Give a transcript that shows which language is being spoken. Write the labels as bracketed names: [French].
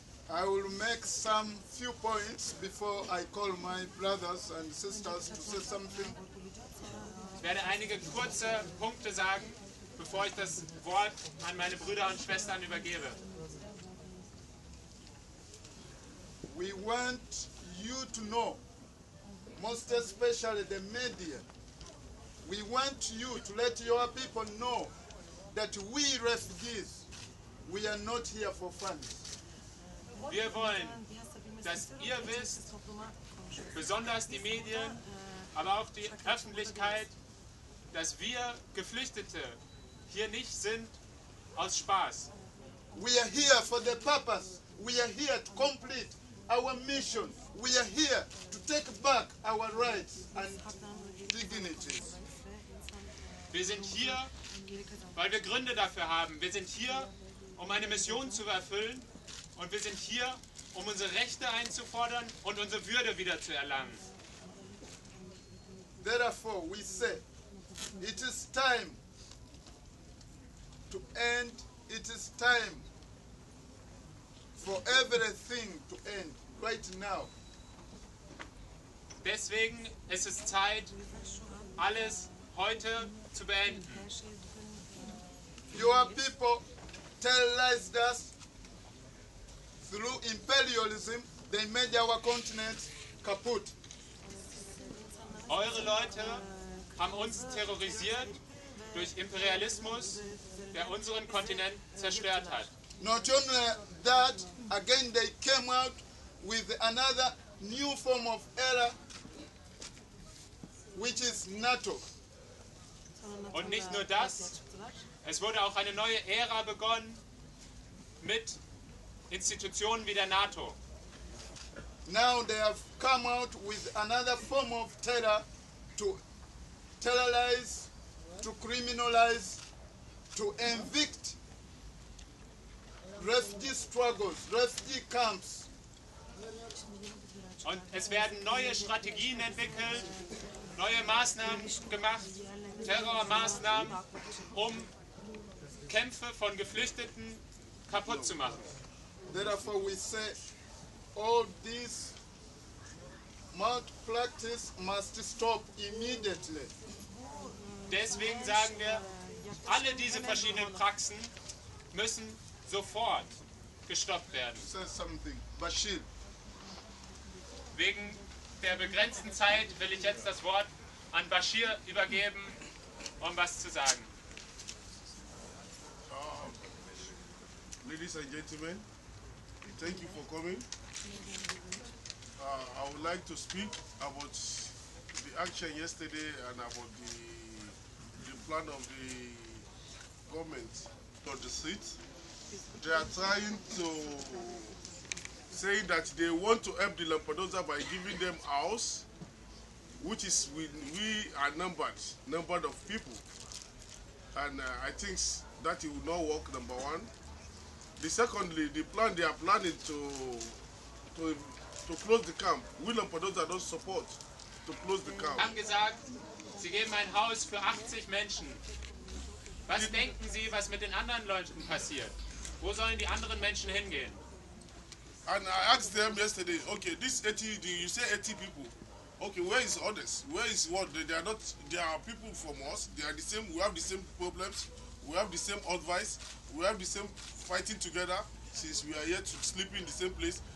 [English] I will make some few points before I call my brothers and sisters to say something. [German] Ich werde einige kurze Punkte sagen, bevor ich das Wort an meine Brüder und Schwestern übergebe. [English] We want you to know, most especially the media, we want you to let your people know that we refugees, we are not here for fun. [German] Wir wollen, dass ihr wisst, besonders die Medien, aber auch die Öffentlichkeit, dass wir Geflüchtete hier nicht sind aus Spaß. [English] We are here for the purpose. We are here to complete our mission. We are here to take back our rights and dignities. [German] Wir sind hier, weil wir Gründe dafür haben. Wir sind hier, um eine Mission zu erfüllen. Und wir sind hier, um unsere Rechte einzufordern und unsere Würde wieder zu erlangen. [English] Therefore, we say, it is time to end. It is time for everything to end right now. [German] Deswegen ist es Zeit, alles heute zu beenden. [English] Your people tell us that through imperialism, they made our continent kaputt. [German] Eure Leute haben uns terrorisiert durch Imperialismus, der unseren Kontinent zerstört hat. [English] Not only that, again they came out with another new form of error, which is NATO. [German] Und nicht nur das, es wurde auch eine neue Ära begonnen mit Institutionen wie der NATO. [English] Now they have come out with another form of terror to terrorize, to criminalize, to evict refugee struggles, refugee camps. [German] Und es werden neue Strategien entwickelt, neue Maßnahmen gemacht, Terrormaßnahmen, um Kämpfe von Geflüchteten kaputt zu machen. [English] Therefore, we say all this malpractice must stop immediately. [German] Deswegen sagen wir, alle diese verschiedenen Praxen müssen sofort gestoppt werden. [English] Say something, Bashir. [German] Wegen der begrenzten Zeit will ich jetzt das Wort an Bashir übergeben, um was zu sagen. [English] Ladies and gentlemen. Thank you for coming. I would like to speak about the action yesterday and about the plan of the government to the seat. They are trying to say that they want to help the Lampedusa by giving them a house, which is we are numbered of people. And I think that it will not work, number one. Secondly, the plan they are planning to close the camp. Will and Padoza don't support to close the camp. [German] Sie haben gesagt, sie geben ein Haus für 80 Menschen. Was denken Sie, was mit den anderen Leuten passiert? Wo sollen die anderen Menschen hingehen? [English] And I asked them yesterday, okay, this 80, you say 80 people. Okay, where is others? Where is what? They are people from us. They are the same. We have the same problems. We have the same advice. We have the same fighting together since we are here to sleep in the same place.